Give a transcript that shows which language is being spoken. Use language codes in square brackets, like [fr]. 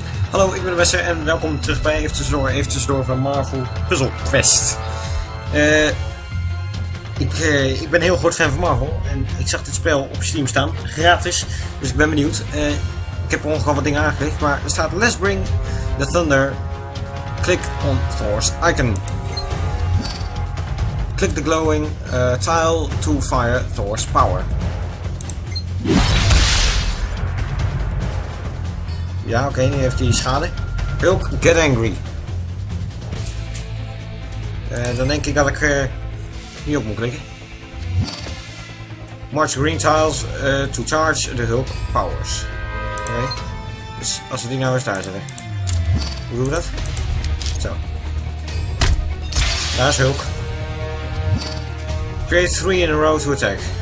[nl] Hallo, ik ben Wesse en welkom terug bij Even Tussendoor van Marvel Puzzle Quest. Ik ben heel groot fan van Marvel en ik zag dit spel op Steam staan, gratis, dus ik ben benieuwd. Ik heb ongeveer wat dingen aangelegd, maar er staat [en] Let's Bring the Thunder, click on Thor's icon. Click the glowing tile to fire Thor's power. [nl] Ja, oké, nu heeft hij schade. [en] Hulk, get angry. [nl] Dan denk ik dat ik hier op moet klikken. [en] March green tiles to charge the Hulk powers. [nl] Oké, okay. Dus als we die nou eens daar zetten. Hoe doen we dat? Zo. Daar is Hulk. [en] Create 3 in a row to attack.